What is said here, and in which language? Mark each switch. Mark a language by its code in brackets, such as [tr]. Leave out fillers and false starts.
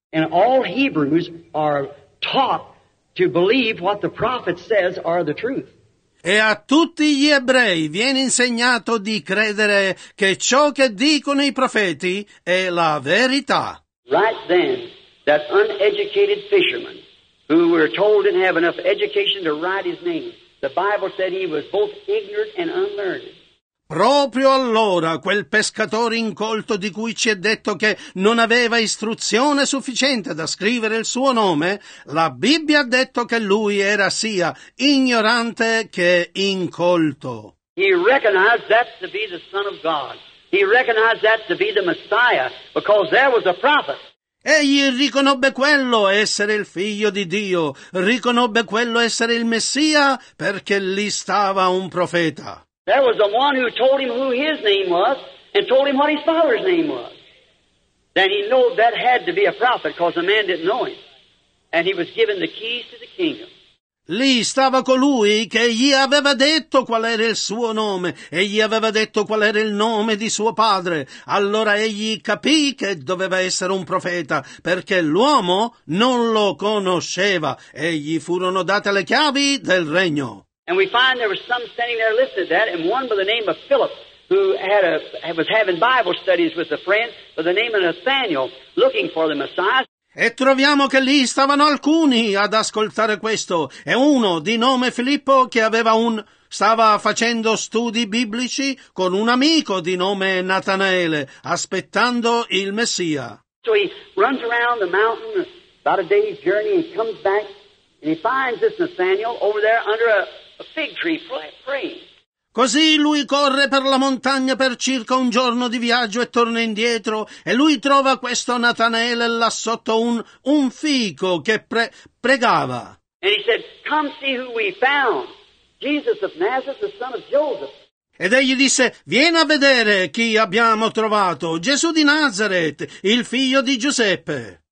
[en] And all Hebrews are taught to believe what the prophet says are the truth. [it] E a tutti gli ebrei viene insegnato di credere che ciò che dicono i profeti è la verità. [en] Right then, that uneducated fisherman, who we were told didn't have enough education to write his name, the Bible said he was both ignorant and unlearned. [it] Proprio allora quel pescatore incolto di cui ci è detto che non aveva istruzione sufficiente da scrivere il suo nome, la Bibbia ha detto che lui era sia ignorante che incolto. [en] He recognized that to be the Son of God. He recognized that to be the Messiah, because there was a prophet. [it] Egli riconobbe quello essere il figlio di Dio, riconobbe quello essere il Messia, perché lì stava un profeta. [en] There was the one who told him who his name was and told him what his father's name was. Then he knew that had to be a prophet because the man didn't know him. And he was given the keys to the kingdom. [it] Lì stava colui che gli aveva detto qual era il suo nome e gli aveva detto qual era il nome di suo padre. Allora egli capì che doveva essere un profeta perché l'uomo non lo conosceva e gli furono date le chiavi del regno. [en] And we find there were some standing there listening to that, and one by the name of Philip, who had was having Bible studies with a friend by the name of Nathaniel, looking for the Messiah. [it] E troviamo che lì stavano alcuni ad ascoltare questo, e uno di nome Filippo che aveva stava facendo studi biblici con un amico di nome Natanaele, aspettando il Messia. [en] So he runs around the mountain about a day's journey and comes back and he finds this Nathanael over there under a fig tree praying. [it] Così lui corre per la montagna per circa un giorno di viaggio e torna indietro e lui trova questo Natanaele là sotto un fico che pregava. [en] And he said, come see who we found. Jesus of Nazareth, the son of Joseph. [it] Ed egli disse, vieni a vedere chi abbiamo trovato, Gesù di Nazareth, il figlio di Giuseppe.